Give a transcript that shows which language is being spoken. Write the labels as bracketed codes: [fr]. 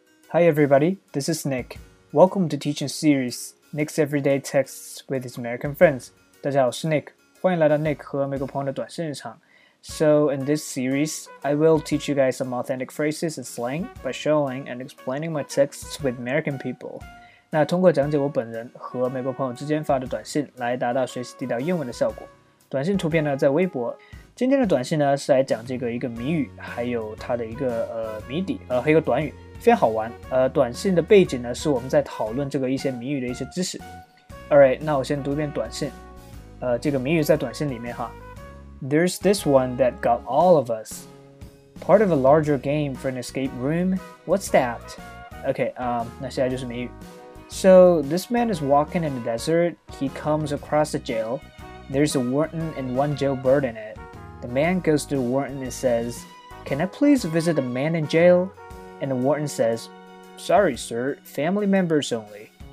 [en] Hi everybody, this is Nick. Welcome to Teaching Series, Nick's Everyday Texts with his American Friends. [zh] 大家好，我是 Nick， 欢迎来到 Nick 和美国朋友的短信日常。 [en] So in this series, I will teach you guys some authentic phrases and slang by showing and explaining my texts with American people. [zh] 那通过讲解我本人和美国朋友之间发的短信来达到学习地道英文的效果。短信图片呢在微博。今天的短信呢是来讲这个一个谜语，还有它的一个谜底，和一个短语。非常好玩，短信的背景呢是我们在讨论这个一些谜语的一些知识。 Alright, 那我先读一遍短信，这个谜语在短信里面哈。 [en] There's this one that got all of us. Part of a larger game for an escape room. What's that? [zh] Okay, 那现在就是谜语。 [en] So, this man is walking in the desert. He comes across a jail. There's a warden and one jailbird in it. The man goes to the warden and says, Can I please visit the man in jail? And the warden says, Sorry, sir, family members only.